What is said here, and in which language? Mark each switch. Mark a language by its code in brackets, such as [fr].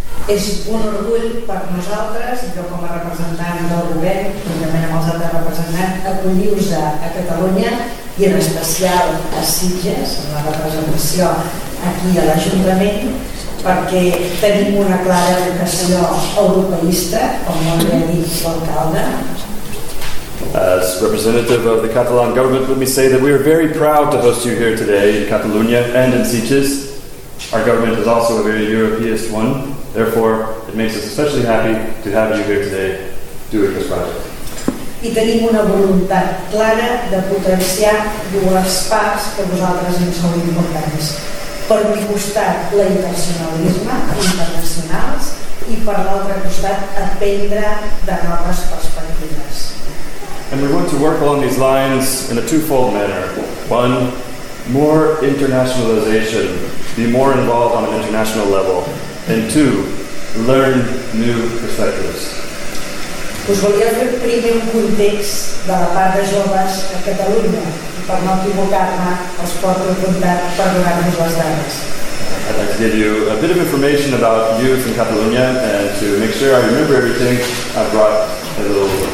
[ca] És un orgull per nosaltres, jo com a representant del govern, també amb els altres representants, acollir-vos a Catalunya i en especial a Sitges, la representació aquí a l'Ajuntament, perquè tenim una clara educació europeista, com ho ha dit l'alcalde. [en] As representative of the Catalan government, let me say that we are very proud to host you here today in Catalonia and in Sitges. Our government is also a very Europeist one, therefore it makes us especially happy to have you here today doing this project. [ca] i tenim una voluntat clara de potenciar dues parts que a nosaltres ens són importants. Per un costat, l'internacionalisme, internacionals, i per l'altre costat, aprendre de noves perspectives. [en] And we want to work along these lines in a twofold manner. One, more internationalization, be more involved on an international level. And two, learn new perspectives. [ca] Us volia fer primer un context de la part de joves a Catalunya. Per no equivocar-me, els porto a comptar per donar-nos les dades. [en] I'd like to give you a bit of information about youth in Catalunya, and to make sure I remember everything, I've brought a little.